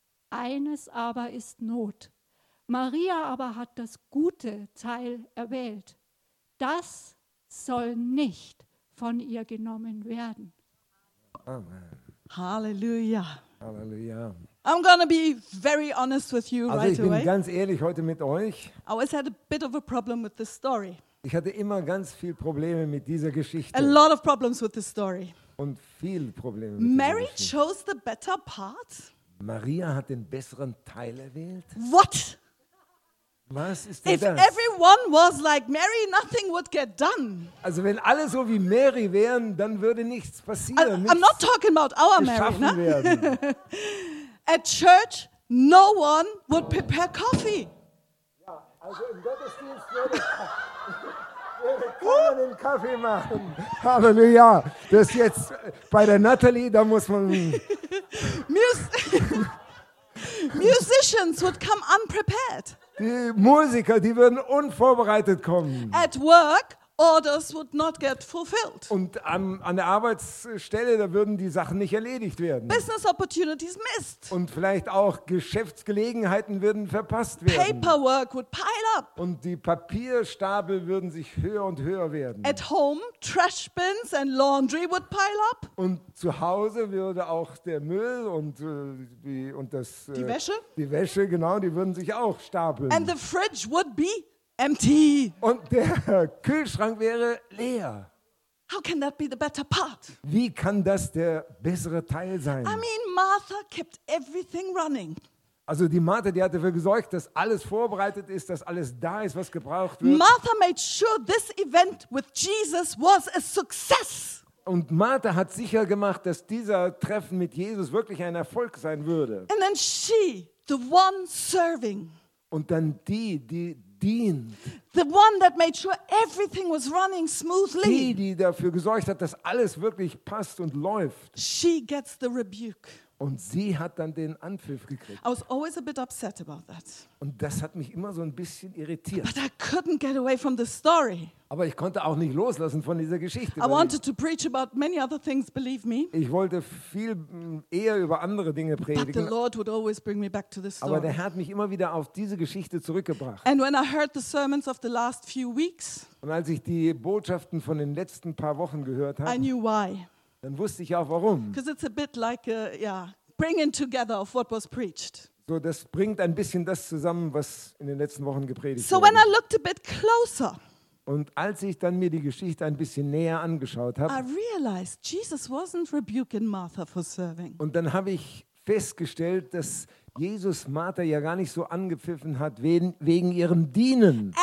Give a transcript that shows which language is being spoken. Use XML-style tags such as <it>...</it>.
<de>Eines aber ist Not. Maria aber hat das gute Teil erwählt. Das soll nicht von ihr genommen werden. Amen. Hallelujah. Hallelujah.</de> <en>I'm gonna be very honest with you also right away.</en> <de>Also ich bin ganz ehrlich heute mit euch.</de> <en>I always had a bit of a problem with this story.</en> <de>Ich hatte immer ganz viel Probleme mit dieser Geschichte.</de> <en>A lot of problems with this story.</en> <de>Und viel Probleme.</de> <en>Mary chose the better part.</en> <de>Maria hat den besseren Teil erwählt.</de> <en>What?</en> <de>Was ist denn</de> <en>if</en> <de>das?</de> <en>Everyone was like Mary, nothing would get done.</en> <de>Also wenn alle so wie Mary wären, dann würde nichts passieren. Nichts</de> <en>I'm not talking about our Mary.</en> <de>Ne?</de> <en>At church, no one would prepare coffee.</en> <de>Ja, also im Gottesdienst würde keiner den Kaffee machen. Halleluja. Das jetzt bei der Natalie, da muss man.</de> <en>Musicians would come unprepared.</en> <de>Die Musiker, die würden unvorbereitet kommen.</de> <en>At work, orders would not get fulfilled.</en> <de>Und an der Arbeitsstelle, da würden die Sachen nicht erledigt werden.</de> <en>Business opportunities missed.</en> <de>Und vielleicht auch Geschäftsgelegenheiten würden verpasst werden.</de> <en>Paperwork would pile up.</en> <de>Und die Papierstapel würden sich höher und höher werden.</de> <en>At home, trash bins and laundry would pile up.</en> <de>Und zu Hause würde auch der Müll und die Wäsche, genau, die würden sich auch stapeln.</de> <en>And the fridge would be empty.</en> <de>Und der Kühlschrank wäre leer.</de> <en>How can that be the better part?</en> <de>Wie kann das der bessere Teil sein?</de> <en>I mean, Martha kept everything running.</en> <de>Also die Martha, die hat dafür gesorgt, dass alles vorbereitet ist, dass alles da ist, was gebraucht wird.</de> <en>Martha made sure this event with Jesus was a success.</en> <de>Und Martha hat sicher gemacht, dass dieser Treffen mit Jesus wirklich ein Erfolg sein würde.</de> <en>And then she, the one serving.</en> <de>Und dann die dient.</de> <en>The one that made sure everything was running smoothly.</en> <de>Die dafür gesorgt hat, dass alles wirklich passt und läuft.</de> <en>She gets the rebuke.</en> <de>Und sie hat dann den Anpfiff gekriegt.</de> <en>I was always a bit upset about that.</en> <de>Und das hat mich immer so ein bisschen irritiert.</de> <en>But I couldn't get away from the story.</en> <de>Aber ich konnte auch nicht loslassen von dieser Geschichte.</de> <en>I wanted to preach about many other things, believe me.</en> <de>Ich wollte viel eher über andere Dinge predigen.</de> <en>But the Lord would always bring me back to the story.</en> <de>Aber der Herr hat mich immer wieder auf diese Geschichte zurückgebracht.</de> <en>And when I heard the sermons of the last few weeks,</en> <de>und als ich die Botschaften von den letzten paar Wochen gehört habe,</de> <en>I knew why.</en> <de>Dann wusste ich auch warum.</de> <en>Because it's a bit like bringing together of what was preached.</en> <de>So, das bringt ein bisschen das zusammen, was in den letzten Wochen gepredigt wurde.</de> <en>So, when I looked a bit closer.</en> <de>Und als ich dann mir die Geschichte ein bisschen näher angeschaut habe,</de> <en>I realized Jesus wasn't rebuking Martha for serving.</en> <de>Und dann habe ich festgestellt, dass Jesus Martha ja gar nicht so angepfiffen hat wegen ihrem Dienen.</de>